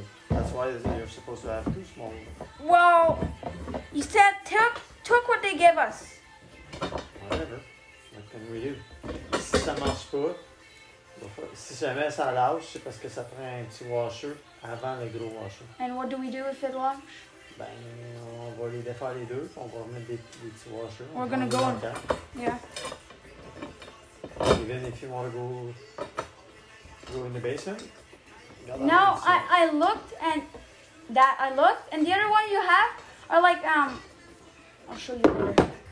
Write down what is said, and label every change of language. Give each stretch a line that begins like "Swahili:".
English: That's why you're supposed to have two small. Well, you said took what they gave us. Whatever. What can we do?
French: Si ça marche pas, si jamais ça lâche, c'est parce que ça prend un petit washer avant le gros washer.
English: And what do we do if it lâches?
French: Ben, on va les défaire les deux, on va remettre des petits washers.
English: We're gonna go on. Yeah. Even if you want to go in the basement? No, I looked, and the other one you have are like, I'll show you later.